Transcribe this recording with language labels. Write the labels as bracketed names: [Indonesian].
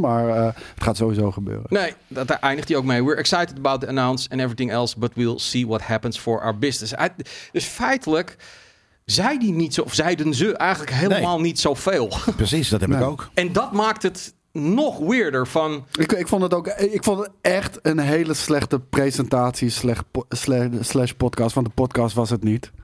[Dutch] Maar het gaat sowieso gebeuren. Nee, daar eindigt hij ook mee. [English] We're excited about the announce and everything else. But we'll see what happens for our business. [Dutch] Dus feitelijk zei die niet zo, of zeiden ze eigenlijk helemaal niet zoveel. Precies, dat heb ik ook. En dat maakt het nog weirder van. Ik vond het ook. Ik vond het echt een hele slechte presentatie. Slash podcast. Want de podcast was het niet.